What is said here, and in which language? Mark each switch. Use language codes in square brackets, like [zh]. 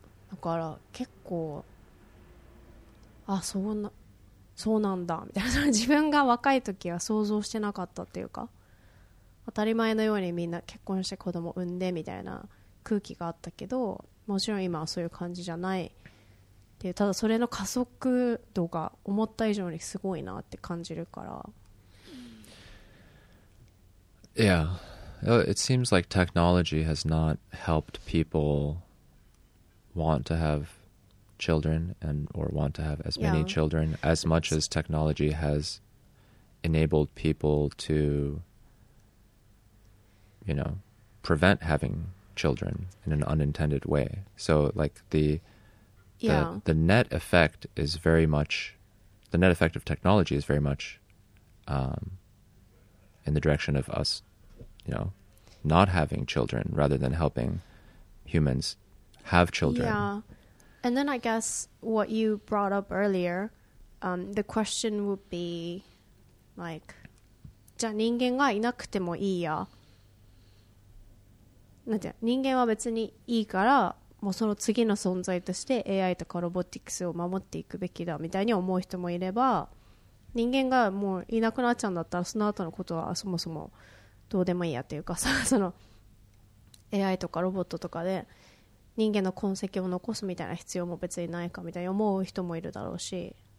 [ja] だから結構あそうなそうなんだみたいな、自分が若い時は想像してなかったっていうか、当たり前のようにみんな結婚して子供産んでみたいな空気があったけど、もちろん今はそういう感じじゃないっていう、ただそれの加速度が思った以上にすごいなって感じるから。 [en] Yeah, it seems like technology has not helped people want to have children and or want to have as many children as much as technology has enabled people to, you know, prevent having children in an unintended way. So like the net effect is very much, the net effect of technology is very much in the direction of us, you know, not having children rather than helping humans have children. Yeah. And then I guess what you brought up earlier, the question would be like, [ja] じゃあ人間がいなくてもいいや。なんて、人間は別にいいから、もうその次の存在として AI とかロボティクスを守っていくべきだみたいに思う人もいれば、人間がもういなくなっちゃうんだったらその後のことはそもそもどうでもいいやっていうかさ、その AI とかロボットとかで人間の痕跡を残すみたいな必要も別にないかみたいに思う人もいるだろうし。